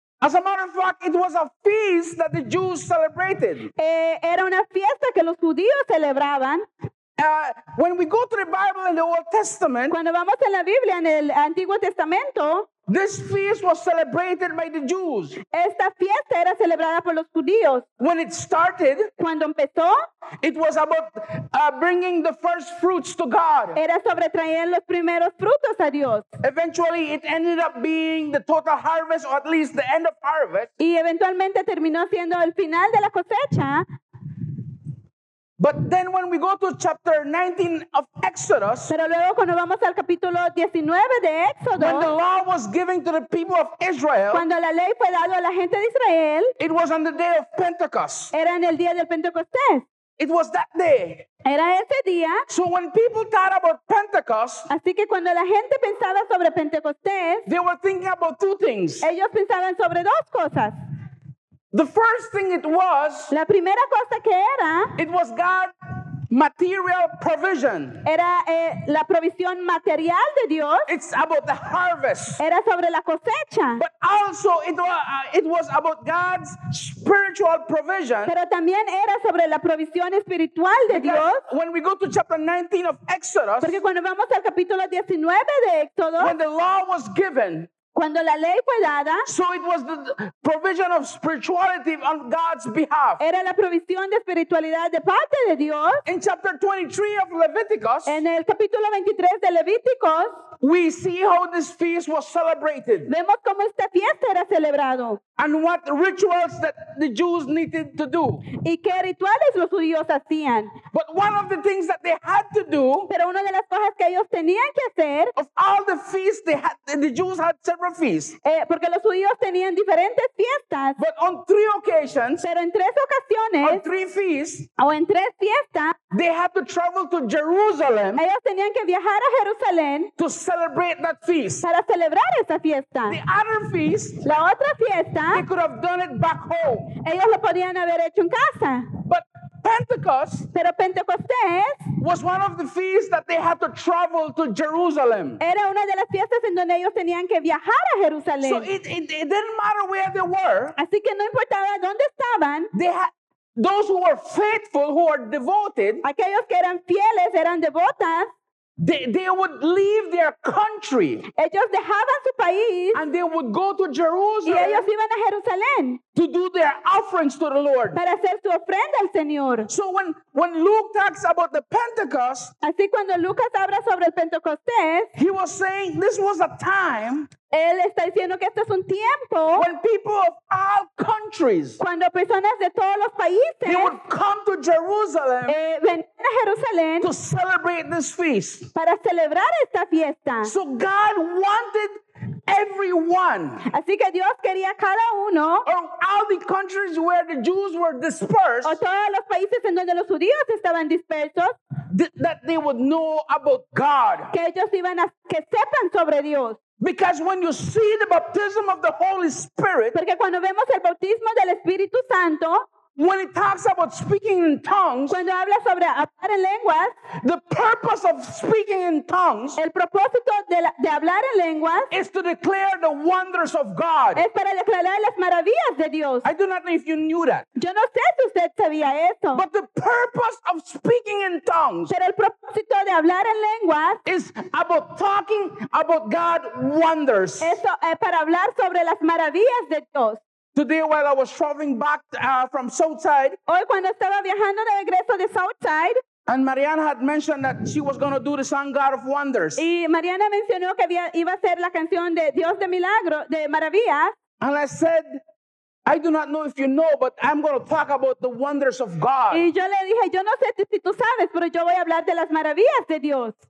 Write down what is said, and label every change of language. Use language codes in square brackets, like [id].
[en] As a matter of fact, it was a feast that the Jews celebrated. [es] Era una fiesta que los judíos celebraban. [en] When we go to the Bible in the Old Testament, [es] cuando vamos en la Biblia en el Antiguo Testamento, [en] this feast was celebrated by the Jews. [es] Esta fiesta era celebrada por los judíos. [en] When it started, [es] cuando empezó, [en] it was about bringing the first fruits to God. [es] Era sobre traer los primeros frutos a Dios. [en] Eventually, it ended up being the total harvest, or at least the end of harvest. [es] Y eventualmente terminó siendo el final de la cosecha. [en] But then when we go to chapter 19 of Exodus, [es] pero luego cuando vamos al capítulo 19 de Éxodo, [en] when the law was given to the people of Israel, [es] cuando la ley fue dado a la gente de Israel, [en] it was on the day of Pentecost. [es] Era en el día del Pentecostés. [en] It was that day. [es] Era ese día. [en] So when people thought about Pentecost, [es] así que cuando la gente pensaba sobre Pentecostés, [en] they were thinking about two things. [es] Ellos pensaban sobre dos cosas. [en] The first thing it was, [es] la primera cosa que era, [en] it was God's material provision. [es] Era la provisión material de Dios. [en] It's about the harvest. [es] Era sobre la cosecha. [en] But also it was about God's spiritual provision. [es] Pero también era sobre la provisión espiritual de Dios. [en] When we go to chapter 19 of Exodus, [es] porque cuando vamos al capítulo 19 de Éxodo, [en] when the law was given, [es] Cuando la ley fue dada, [en] so it was the provision of spirituality on God's behalf. [es] Era la provisión de espiritualidad de parte de Dios. [en] In chapter 23 of Leviticus, [es] en el capítulo 23 de Leviticus, [en] we see how this feast was celebrated. [es] Vemos cómo esta fiesta era celebrado. [en] And what rituals that the Jews needed to do. [es] Y qué rituales los judíos hacían. [en] But one of the things that they had to do, [es] pero una de las cosas que ellos tenían que hacer, [en] of all the feasts they had, the Jews had several feasts. [es] Porque los judíos tenían diferentes fiestas. [en] But on three occasions, [es] pero en tres ocasiones, [en] on three feasts, [es] o en tres fiestas, [en] they had to travel to Jerusalem, [es] ellos tenían que viajar a Jerusalén, [en] to celebrate that feast. [es] Para celebrar esa fiesta. [en] The other feast, [es] la otra fiesta, [en] they could have done it back home. [es] Ellos lo podían haber hecho en casa. [en] But Pentecost, [es] pero Pentecostés, [en] was one of the feasts that they had to travel to Jerusalem. [es] Era una de las fiestas en donde ellos tenían que viajar a Jerusalén. [en] So it didn't matter where they were. [es] Así que no importaba dónde estaban. [en] Those who were faithful, who were devoted, [es] aquellos que eran fieles, eran devotas, [en] They would leave their country. [es] Ellos dejaban su país. [en] And they would go to Jerusalem. [es] Y ellos iban a Jerusalén. [en] To do their offerings to the Lord. [es] Para hacer su ofrenda al Señor. [en] So when Luke talks about the Pentecost. [es] Así cuando Lucas habla sobre el Pentecostés. [en] He was saying this was a time. [es] Él está diciendo que este es un tiempo. [en] When people of all countries. [es] Cuando personas de todos los países. [en] They would come to Jerusalem. [es] Venían a Jerusalén. [en] To celebrate this feast. [es] Para celebrar esta fiesta. [en] So God wanted everyone. [es] Así que Dios quería cada uno. [en] Or all the countries where the Jews were dispersed. [es] O todos los países en donde los judíos estaban dispersos. [en] That they would know about God. [es] Que ellos iban a que sepan sobre Dios. [en] Because when you see the baptism of the Holy Spirit, [es] porque cuando vemos el bautismo del Espíritu Santo, [en] when it talks about speaking in tongues, [es] cuando habla sobre hablar en lenguas, [en] the purpose of speaking in tongues, [es] el propósito de hablar en lenguas, [en] is to declare the wonders of God. [es] Es para declarar las maravillas de Dios. [en] I do not know if you knew that. [es] Yo no sé si usted sabía eso. [en] But the purpose of speaking in tongues, [es] pero el propósito de hablar en lenguas, [en] is about talking about God's wonders. [es] Eso es para hablar sobre las maravillas de Dios. [en] Today, while I was traveling back from Southside, [es] hoy cuando estaba viajando de regreso de Southside, [en] and Marianne had mentioned that she was going to do the song "God of Wonders." [es] Y Mariana mencionó que iba a hacer la canción de Dios de milagro, de maravilla. [en] And I said, I do not know if you know, but I'm going to talk about the wonders of God. [es] Y yo le dije, yo no sé si tú sabes, pero yo voy a hablar de las maravillas de Dios.